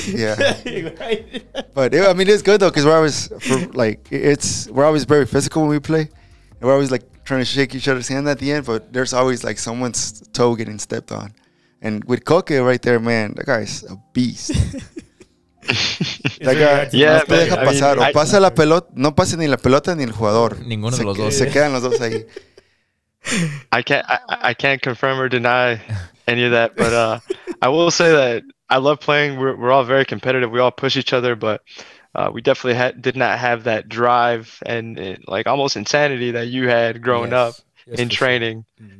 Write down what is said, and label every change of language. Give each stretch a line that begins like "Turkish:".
English: Yeah, but it's good though, because we're always we're always very physical when we play, and we're always like trying to shake each other's hand at the end. But there's always like someone's toe getting stepped on, and with Coque right there, man, that guy's a beast.
Spanish: La no te deja pasar. O pasa la pelota, no pasa ni la pelota ni el jugador. Ninguno de los dos. Se quedan los dos ahí.
English: I can't confirm or deny any of that, but I will say that I love playing. We're all very competitive. We all push each other, but we definitely did not have that drive and like almost insanity that you had growing up in training. Sure.